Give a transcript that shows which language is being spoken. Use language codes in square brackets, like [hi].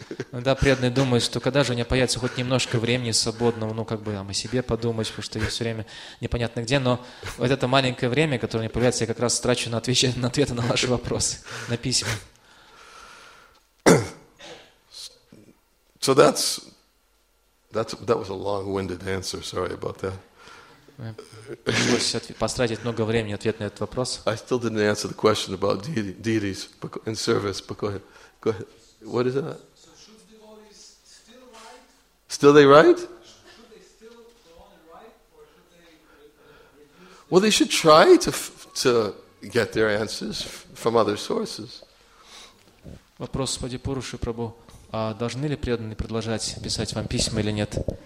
[ru] Иногда преданные думают, что когда же у меня появится хоть немножко времени свободного, ну как бы там о себе подумать, потому что я все время непонятно где, но вот это маленькое время, которое мне появляется, я как раз трачу на ответы на ваши вопросы, на письма. [en] So that was a long-winded answer. Sorry about that. [ru] Пришлось потратить много времени ответ на этот вопрос. [en] I still didn't answer the question about deities in service. But go ahead. What is that? So should devotees still write? Still they write? Should they still go on and write, or should they? Well, they should try to get their answers from other sources. [ru] Вопрос Господи Пуруши Прабу: а должны ли преданные продолжать писать вам письма или нет?